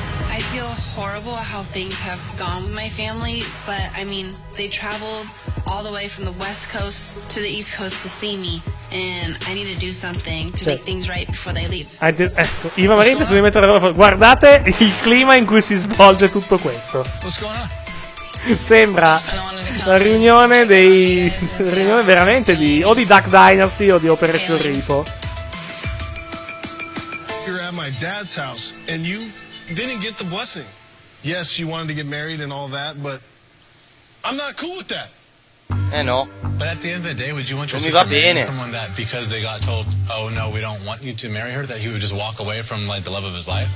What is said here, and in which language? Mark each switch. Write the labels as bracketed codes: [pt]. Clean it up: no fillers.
[en] I feel horrible how things have gone with my family, but I mean, they traveled all the way from the West Coast to the East Coast to see me, and I need to do something to make things right before they leave. [it] Ecco, Iva Marina, devi mettere la roba. Guardate il clima in cui si svolge tutto questo. [en] What's going on? [it] Sembra la riunione dei riunione veramente di o di Duck Dynasty o di Operation Repo. [en] You're at my dad's house and you didn't get the blessing. Yes, you wanted to get married and all that, but I'm not cool with that. [it] Eh no. [en] But at the end of the day, would you want your sister to marry someone that because they got told, oh no, we don't want you to marry her, that he would just walk away from like the love of his life?